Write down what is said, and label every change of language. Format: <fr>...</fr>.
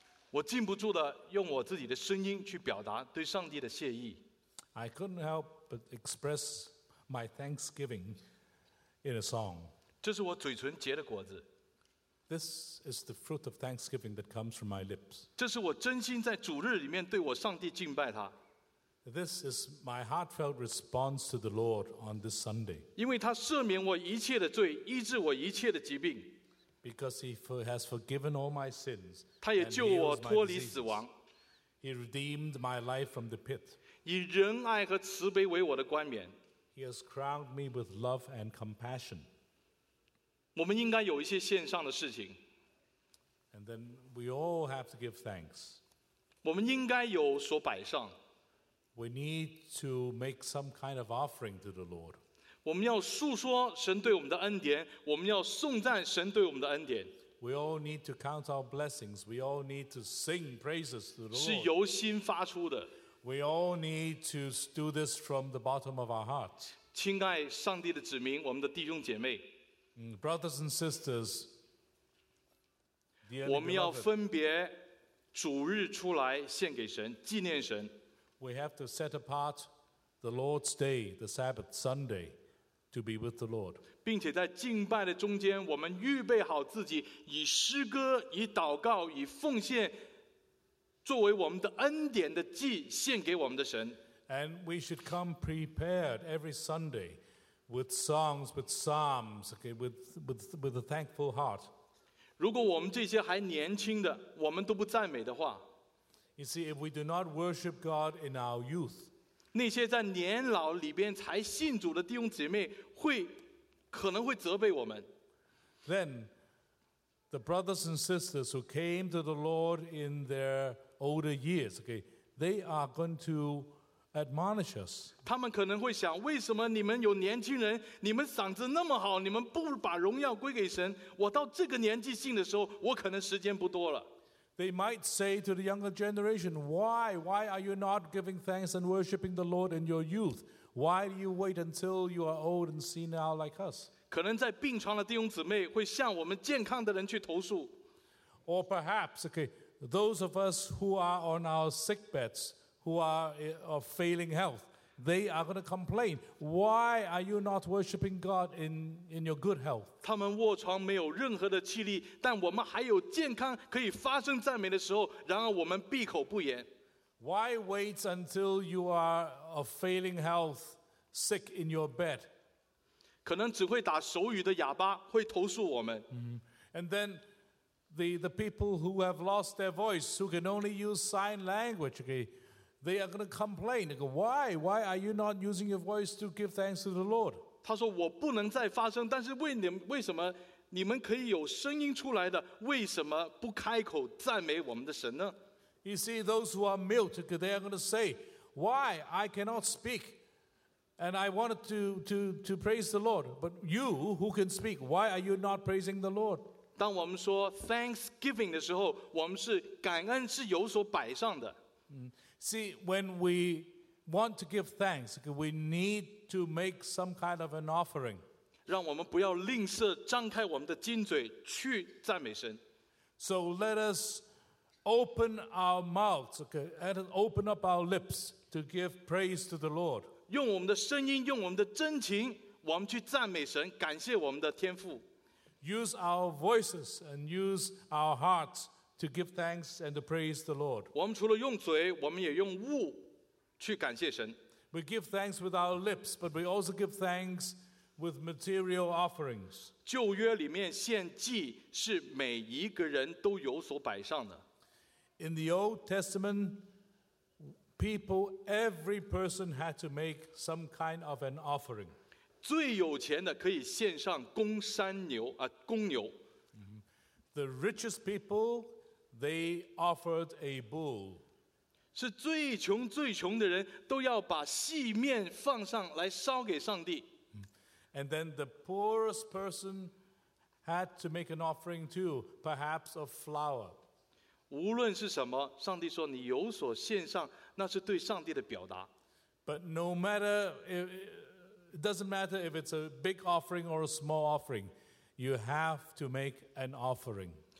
<zh>我禁不住的用我自己的声音去表达对上帝的谢意。</zh> <en>I couldn't help but express my thanksgiving in a song.</en> <zh>这是我嘴唇结的果子。</zh> <en>This is the fruit of thanksgiving that comes from my lips.</en> <zh>这是我真心在主日里面对我上帝敬拜他。</zh> <en>This is my heartfelt response to the Lord on this Sunday.</en> <zh>因为他赦免我一切的罪，医治我一切的疾病。</zh> <en>Because he has forgiven all my sins.</en> <zh>他也救我脱离死亡。</zh> <en>He redeemed my life from the pit.</en> <zh>以仁爱和慈悲为我的冠冕。</zh> <en>He has crowned me with love and compassion.</en> <zh>我们应该有一些献上的事情。</zh> <en>And then we all have to give thanks.</en> <zh>我们应该有所摆上。</zh> <en>We need to make some kind of offering to the Lord.</en> <zh>我们要述说神对我们的恩典，我们要颂赞神对我们的恩典。</zh> <en>We all need to count our blessings. We all need to sing praises to the Lord.</en> <zh>是由心发出的。</zh> <en>We all need to do this from the bottom of our hearts.</en> <zh>亲爱上帝的子民，我们的弟兄姐妹。</zh> <en>Brothers and sisters,</en> <zh>我们要分别主日出来献给神，纪念神。</zh> <en>We have to set apart the Lord's day, the Sabbath Sunday, to be with the Lord.</en> <zh>并且在敬拜的中间，我们预备好自己，以诗歌、以祷告、以奉献。作为我们的恩典的祭，献给我们的神。</zh> <en>And we should come prepared every Sunday with songs, with psalms, okay, with a thankful heart.</en> <zh>如果我们这些还年轻的，我们都不赞美的话</zh> <en>，You see, if we do not worship God in our youth,</en> <zh>那些在年老里边才信主的弟兄姐妹会可能会责备我们。</zh> <en>Then the brothers and sisters who came to the Lord in their older years, okay, they are going to admonish us.</en> <zh>他们可能会想，为什么你们有年轻人，你们嗓子那么好，你们不把荣耀归给神？我到这个年纪信的时候，我可能时间不多了。</zh> <en>They might say to the younger generation, why are you not giving thanks and worshiping the Lord in your youth? Why do you wait until you are old and senile like us?</en> <zh>可能在病床的弟兄姊妹会向我们健康的人去投诉。</zh> <en>Or perhaps, okay. Those of us who are on our sick beds, who are of failing health, they are going to complain. Why are you not worshiping God in your good health?</en> <zh>他们卧床没有任何的气力，但我们还有健康可以发声赞美的时候，然而我们闭口不言。</zh> <en>Why wait until you are of failing health, sick in your bed?</en> <zh>可能只会打手语的哑巴会投诉我们。</zh> <en>And then. The people who have lost their voice, who can only use sign language, okay, they are going to complain. They go, why are you not using your voice to give thanks to the Lord?</en> <zh>他说我不能再发声，但是为什么你们可以有声音出来的，为什么不开口赞美我们的神呢？</zh> <en>You see, those who are mute, okay, they are going to say, why I cannot speak, and I wanted to praise the Lord. But you who can speak, why are you not praising the Lord?</en> <zh>当我们说 Thanksgiving 的时候，我们是感恩是有所摆上的。</zh> <en>See, when we want to give thanks, we need to make some kind of an offering.</en> <zh>让我们不要吝啬，张开我们的金嘴去赞美神。</zh> <en>So let us open our mouths, okay, and open up our lips to give praise to the Lord.</en> <zh>用我们的声音，用我们的真情，我们去赞美神，感谢我们的天父。</zh> <en>Use our voices and use our hearts to give thanks and to praise the Lord.</en> <zh>我们除了用嘴，我们也用物去感谢神。</zh> <en>We give thanks with our lips, but we also give thanks with material offerings.</en> <zh>旧约里面献祭是每一个人都有所摆上的。</zh> <en>In the Old Testament, every person had to make some kind of an offering.</en> <zh>最有钱的可以献上公山牛啊，公牛。</zh> <en>The richest people, they offered a bull.</en> <zh>是最穷最穷的人都要把细面放上来烧给上帝。</zh> <en>And then the poorest person had to make an offering too, perhaps of flour.</en> <zh>无论是什么，上帝说你有所献上，那是对上帝的表达。</zh> <en>But no matter, it doesn't matter if it's a big offering or a small offering, you have to make an offering.</en>